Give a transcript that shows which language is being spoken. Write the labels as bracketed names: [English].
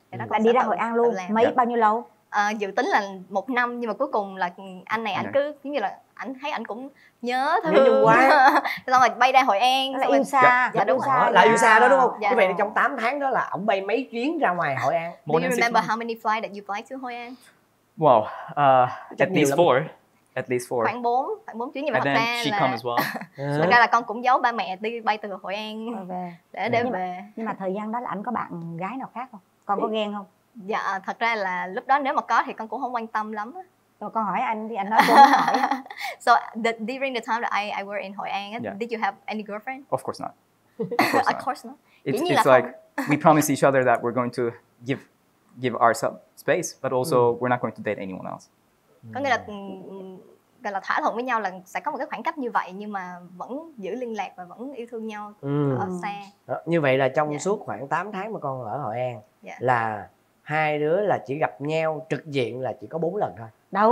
[Vietnamese] Là đi ra Hội An luôn. Làm. Mấy bao nhiêu lâu? Dự tính là một năm nhưng mà cuối cùng là anh này anh cứ giống như là anh thấy anh cũng nhớ thương quá xong rồi bay ra Hội An là yêu xa. Dạ, dạ đúng rồi là yêu xa đó đúng không? Dạ. Như vậy trong 8 tháng đó là ổng bay mấy chuyến ra ngoài Hội An? [English] Do you remember how many flights that you fly to Hội An? Wow, at least four. [Vietnamese] Khoảng bốn chuyến nhưng mà thật ra [English] she là come as well. [Vietnamese] Thật ra là con cũng giấu ba mẹ đi bay từ Hội An về. Để về. Nhưng mà thời gian đó là anh có bạn gái nào khác không? Con có ghen không? Dạ thật ra là lúc đó nếu mà có thì con cũng không quan tâm lắm. Rồi con hỏi anh thì anh nói không hỏi. [English] So during the time that I were in Hội An, did you have any girlfriend? Of course not. Of course not. It's like we promised each other that we're going to give ourselves space, but also we're not going to date anyone else. [Vietnamese] Có nghĩa là thỏa thuận với nhau là sẽ có một cái khoảng cách như vậy nhưng mà vẫn giữ liên lạc và vẫn yêu thương nhau ở xa. Đó, như vậy là trong suốt khoảng 8 tháng mà con ở Hội An là hai đứa là chỉ gặp nhau trực diện là chỉ có 4 lần thôi. Đâu